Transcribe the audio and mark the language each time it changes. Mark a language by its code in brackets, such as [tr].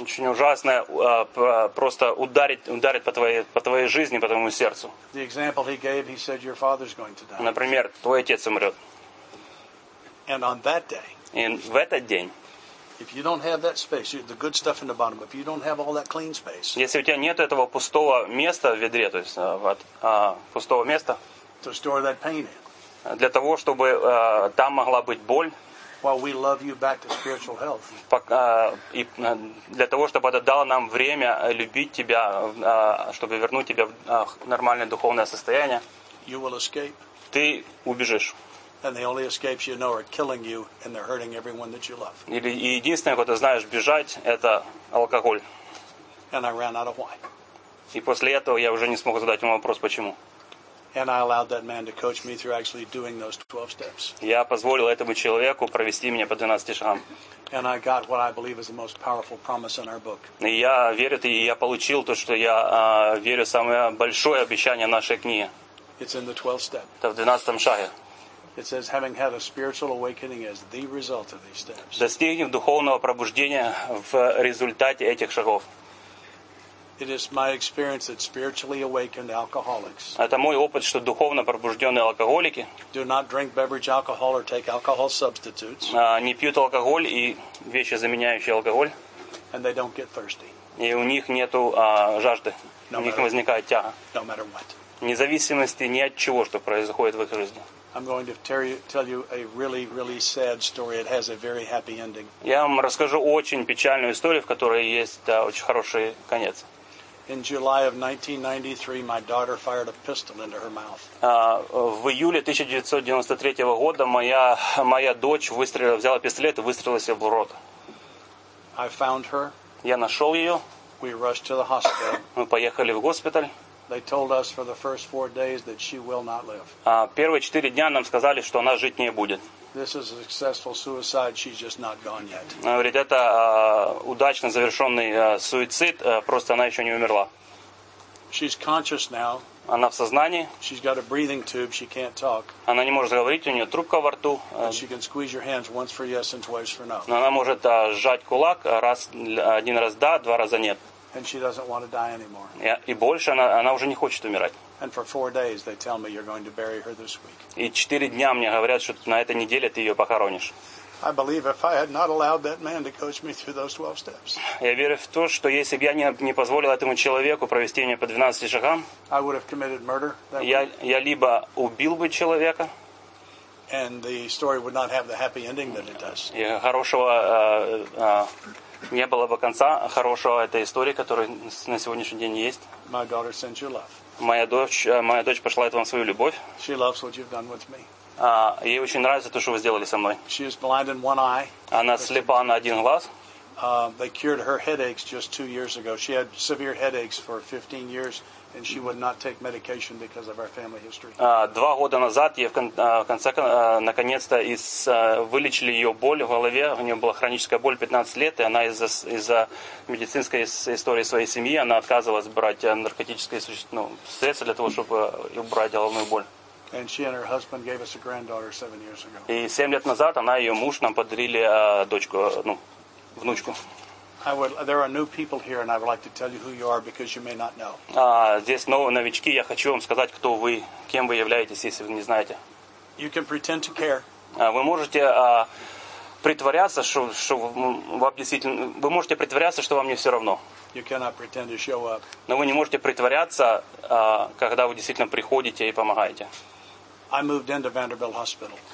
[ru] Очень ужасное, просто ударит по твоей жизни, по твоему сердцу. [en] The example he gave, he said, your father's going to die. [ru] Например, твой отец умрет. [en] And on that day, [ru] и в этот день, [en] if you don't have that space, the good stuff in the bottom, if you don't have all that clean space, [ru] если у тебя нет этого пустого места в ведре, то есть пустого места, [en] to store that pain in. [ru] Для того, чтобы там могла быть боль. [en] While we love you back to spiritual health. [ru] И для того, чтобы это дало нам время любить тебя, чтобы вернуть тебя в нормальное духовное состояние. [en] You will escape. [ru] Ты убежишь. [en] And the only escapes you know are killing you, and they're hurting everyone that you love. [ru] Или единственное, куда знаешь бежать, это алкоголь. [en] And I ran out of wine. [ru] И после этого я уже не смог задать ему вопрос, почему. [en] And I allowed that man to coach me through actually doing those 12 steps. [ru] Я позволил этому человеку провести меня по 12 шагам. [en] And I got what I believe is the most powerful promise in our book. [ru] И я верю, и я получил то, что я верю, самое большое обещание нашей книги. [en] It's in the 12th step. [ru] Это в 12-м шаге. [en] It says, having had a spiritual awakening as the result of these steps. [ru] Достигнув духовного пробуждения в результате этих шагов. [en] It is my experience that spiritually awakened alcoholics. [ru] Это мой опыт, что духовно пробужденные алкоголики. [en] Do not drink beverage alcohol or take alcohol substitutes. [ru] Не пьют алкоголь и вещи, заменяющие алкоголь. [en] And they don't get thirsty. [ru] И у них нету жажды. У них не возникает тяга. [en] No matter what. [ru] Независимости ни от чего, что происходит в их жизни. [en] I'm going to tell you a really, really sad story. It has a very happy ending. [ru] Я вам расскажу очень печальную историю, в которой есть очень хороший конец. [en] In July of 1993, my daughter fired a pistol into her mouth. [ru] В июле 1993 года моя дочь взяла пистолет и выстрелила себе в рот. [en] I found her. [ru] Я нашел ее. [en] We rushed to the hospital. [ru] Мы поехали в госпиталь. [en] They told us for the first four days that she will not live. [ru] Первые 4 дня нам сказали, что она жить не будет. [en] This is a successful suicide. She's just not gone yet. [ru] Говорит, это удачно завершенный суицид, просто она еще не умерла. [en] She's conscious now. [ru] Она в сознании. [en] She's got a breathing tube. She can't talk. [ru] Она не может говорить, у нее трубка во рту. [en] And she can squeeze your hands once for yes and twice for no. [ru] Но она может сжать кулак раз, один раз да, два раза нет. [en] And she doesn't want to die anymore. [ru] И больше она уже не хочет умирать. [en] And for 4 days they tell me you're going to bury her this week. [ru] И 4 дня мне говорят, что на этой неделе ты ее похоронишь. [en] I believe if I had not allowed that man to coach me through those 12 steps. [ru] Я верю в то, что если бы я не позволил этому человеку провести меня по 12 шагам, [en] I would have committed murder. [ru] Я либо убил бы человека. [en] And the story would not have the happy ending that it does. [ru] И хорошего не было бы конца хорошего этой истории, которая на сегодняшний день есть. [en] My daughter sent you love. [ru] Моя дочь посылает вам свою любовь. [en] She loves what you've done with me. [ru] Ей очень нравится то, что вы сделали со мной. [en] She is blind in one eye. [ru] Она слепа на один глаз. [en] They cured her headaches just 2 years ago. She had severe headaches for 15 years. And she would not take medication because of our family history. [ru] 2 года назад ей наконец-то вылечили ее боль в голове. У нее была хроническая боль 15 лет, и она из-за медицинской истории своей семьи она отказывалась брать наркотические средства для того, чтобы убрать головную боль. [en] And she and her husband gave us a granddaughter 7 years ago. [ru] И 7 лет назад она и ее муж нам подарили дочку, внучку. [en] There are new people here, and I would like to tell you who you are because you may not know. [ru] Здесь новые новички. Я хочу вам сказать, кто вы, кем вы являетесь, если вы не знаете. [en] You can pretend to care. [ru] Вы можете притворяться, что вам действительно. Вы можете притворяться, что вам не все равно. [en] You cannot pretend to show up. [ru] Но вы не можете притворяться, когда вы действительно приходите и помогаете. [en] I moved into Vanderbilt Hospital.